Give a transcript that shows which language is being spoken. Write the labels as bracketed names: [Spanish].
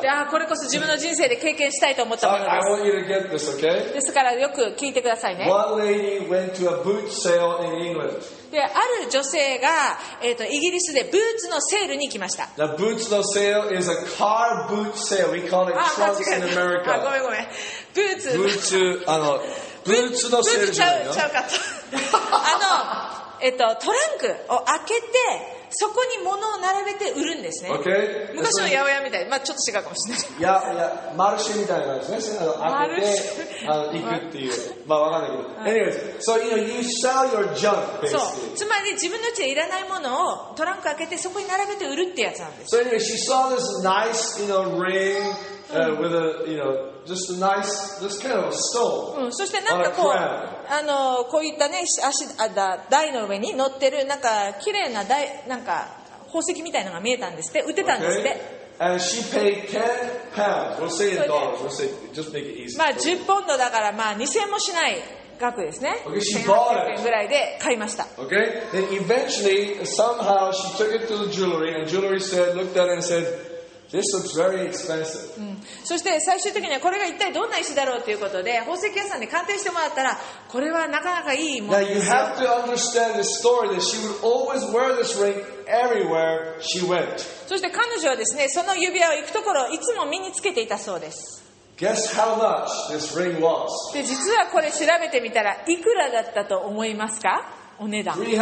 [Japanese] これこそ自分の人生で経験したいと思ったものです。 [English] I want you to get this, okay? [Japanese] ですからよく聞いてくださいね。 [English] One lady went to a boot sale in England. [Japanese] である女性が、イギリスでブーツのセールに行きました。 [English] The boots の sale is a car boot sale. We call it trucks in America. [Japanese] あ、ごめんごめん。ブーツ。ブーツ、ブーツのセールじゃないの？ブーツちゃうかった。トランクを開けてそこに物を並べて売るんですね。 [English] Okay. [Japanese] 昔の八百屋みたい、まあ、ちょっと違うかもしれない。いやいや、マルシェみたいなですね。開けて行くっていう。まあ分かんないけど。 [English] Anyways, so you know, you sell your junk, basically. [Japanese] そう、つまり自分の家でいらないものをトランク開けてそこに並べて売るってやつなんです。 [English] So anyway, she saw this nice, you know, ring, with a, you know,Just a nice, this kind of stone. [Japanese] そしてなんかこう、こういったね、足、台の上に乗ってる、なんか、綺麗な台、なんか、宝石みたいなのが見えたんですって、売ってたんですって。 [English] Okay. And she paid 10 pounds. We'll say in dollars. We'll say just make it easy. [Japanese] まあ10ポンドだからまあ2000もしない額ですね。 [English] Okay, she bought it. [Japanese] 1800円ぐらいで買いました。 [English] Okay. Then eventually, somehow, she took it to the jewelry, and jewelry said, looked at it and said. This looks very expensive. [Japanese] うん、そして最終的にはこれが一体どんな石だろうということで宝石屋さんに鑑定してもらったらこれはなかなかいいものですよ。 [English] Now you have to understand the story that she would always wear this ring everywhere she went. [Japanese] そして彼女はですねその指輪を行くところいつも身につけていたそうです。 [English] Guess how much this ring was. [Japanese] で実はこれ調べてみたらいくらだったと思いますか、お値段。